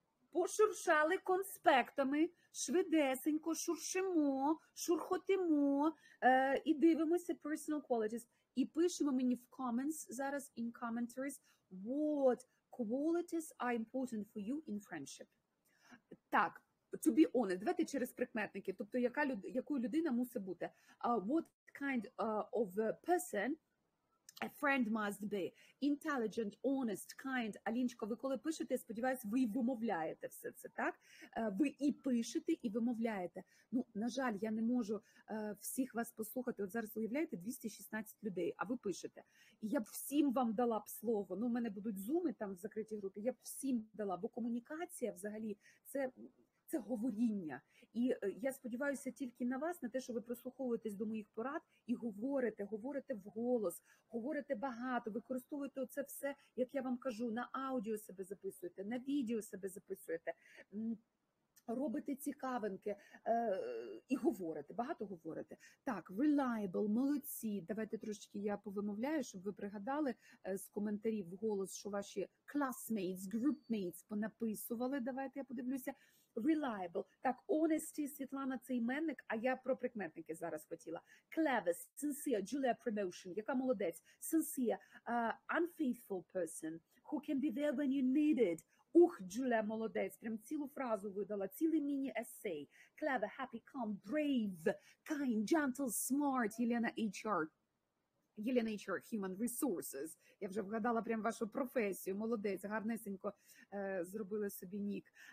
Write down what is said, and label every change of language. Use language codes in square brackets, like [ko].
[uk] Пошуршали конспектами, швидесенько шуршимо, шурхотимо і дивимося personal qualities. І пишемо мені в comments зараз, [en] in commentaries, what qualities are important for you in friendship. [uk] Так, [en] to be honest, [uk] давайте через прикметники, тобто яка якою людина мусить бути. [en] What kind of a person a friend must be? Intelligent, honest, kind. [uk] Алінчко, ви коли пишете, я сподіваюся, ви і вимовляєте все це, так? Ви і пишете, і вимовляєте. Ну, на жаль, я не можу всіх вас послухати. От зараз уявляєте, 216 людей, а ви пишете. І я б всім вам дала б слово. Ну, в мене будуть зуми там в закритій групі. Я б всім дала, бо комунікація взагалі це говоріння. І я сподіваюся тільки на вас, на те, що ви прислуховуєтесь до моїх порад і говорите в голос, говорите багато, використовуєте це все, як я вам кажу, на аудіо себе записуєте, на відео себе записуєте, робите цікавинки і говорите, багато говорите. Так, reliable, молодці. Давайте трошечки я повимовляю, щоб ви пригадали з коментарів в голос, що ваші classmates, groupmates понаписували. Давайте я подивлюся. Reliable. Так, honesty, Світлана, це іменник, а я про прикметники зараз хотіла. [en] Clever, sincere, Julia promotion, [uk] яка молодець. [en] Sincere, unfaithful person, who can be there when you need it. [uk] Ух, Джулія, молодець, прям цілу фразу видала, цілий міні-есей. [en] Clever, happy, calm, brave, kind, gentle, smart, Єлена HR. Єлена HR, human resources. [uk] Я вже вгадала прям вашу професію, молодець, гарнесенько зробили собі нік.